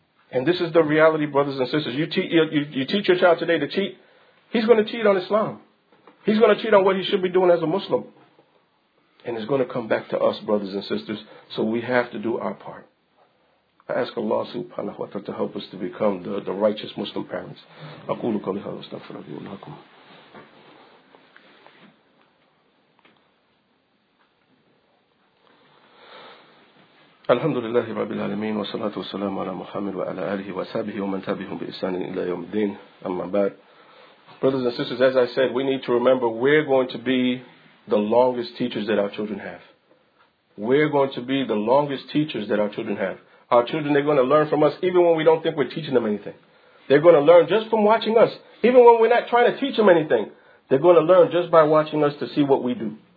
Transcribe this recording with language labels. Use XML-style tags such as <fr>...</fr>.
<en>And this is the reality, brothers and sisters. You teach your child today to cheat, he's going to cheat on Islam. He's going to cheat on what he should be doing as a Muslim. And it's going to come back to us, brothers and sisters. So we have to do our part. I ask Allah subhanahu wa ta'ala to help us to become the righteous Muslim parents.</en> <ar>أَقُولُ قَلِهَا وَاسْتَغْفِرَ بِهُ لَكُمْ الحمد لله رب العالمين والصلاة والسلام على محمد وعلى آله وصحبه ومن تبعهم بإحسان إلى يوم الدين أما بعد.</ar> <en>Brothers and sisters, as I said, we need to remember we're going to be the longest teachers that our children have. We're going to be the longest teachers that our children have. Our children, they're going to learn from us even when we don't think we're teaching them anything. They're going to learn just from watching us. Even when we're not trying to teach them anything, they're going to learn just by watching us to see what we do.</en>